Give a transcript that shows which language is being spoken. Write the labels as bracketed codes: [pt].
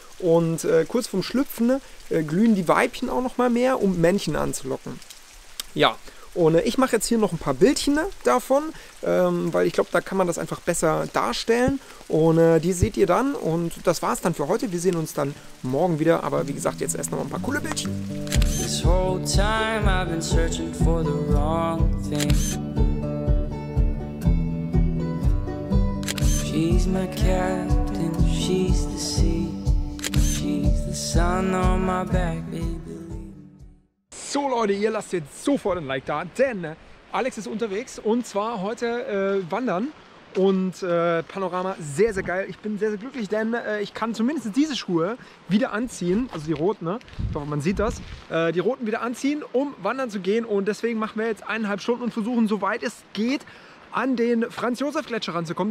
[de] Und kurz vorm Schlüpfen glühen die Weibchen auch nochmal mehr, um Männchen anzulocken. Ja, und ich mache jetzt hier noch ein paar Bildchen davon, weil ich glaube, da kann man das einfach besser darstellen. Und die seht ihr dann und das war's dann für heute. Wir sehen uns dann morgen wieder, aber wie gesagt, jetzt erst noch mal ein paar coole Bildchen. [en] This whole time I've been searching for the wrong thing. She's my captain, she's the sea, she's the sun on my back, baby. [de] So Leute, ihr lasst jetzt sofort ein Like da, denn Alex ist unterwegs und zwar heute wandern. Und Panorama, sehr, sehr geil. Ich bin sehr, sehr glücklich, denn ich kann zumindest diese Schuhe wieder anziehen. Also die roten, ne? Ich hoffe, man sieht das. Die roten wieder anziehen, um wandern zu gehen. Und deswegen machen wir jetzt 1,5 Stunden und versuchen, soweit es geht, an den Franz-Josef-Gletscher ranzukommen.